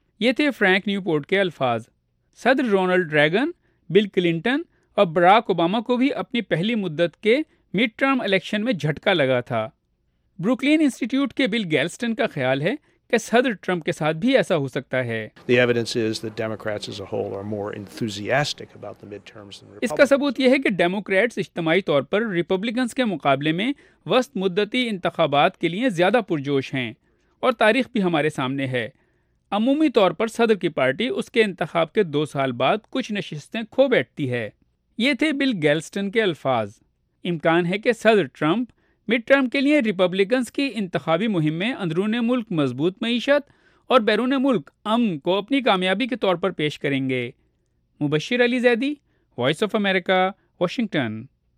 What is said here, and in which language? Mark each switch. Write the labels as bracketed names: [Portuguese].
[Urdu] یہ تھے Frank Newport کے الفاظ. صدر رونلڈ ریگن, بل کلنٹن اور براک اوباما کو بھی اپنی پہلی مدت کے مڈ ٹرم الیکشن میں جھٹکا لگا تھا. بروکلین انسٹیٹیوٹ کے بل گیلسٹن کا خیال ہے کہ صدر ٹرمپ کے ساتھ بھی ایسا ہو سکتا ہے. [English] The evidence is that Democrats as a whole are more enthusiastic about the midterms than Republicans. [Urdu] اس کا ثبوت یہ ہے کہ ڈیموکریٹس اجتماعی طور پر ریپبلکنز کے مقابلے میں وسط مدتی انتخابات کے لیے زیادہ پرجوش ہیں, اور تاریخ بھی ہمارے سامنے ہے. عمومی طور پر صدر کی پارٹی اس کے انتخاب کے 2 سال بعد کچھ نشستیں کھو بیٹھتی ہے. یہ تھے بل گیلسٹن کے الفاظ. امکان ہے کہ صدر ٹرمپ مڈ ٹرم کے لیے ریپبلکنز کی انتخابی مہم میں اندرون ملک مضبوط معیشت اور بیرون ملک امن کو اپنی کامیابی کے طور پر پیش کریں گے. مبشر علی Zaidi, voice of America, Washington.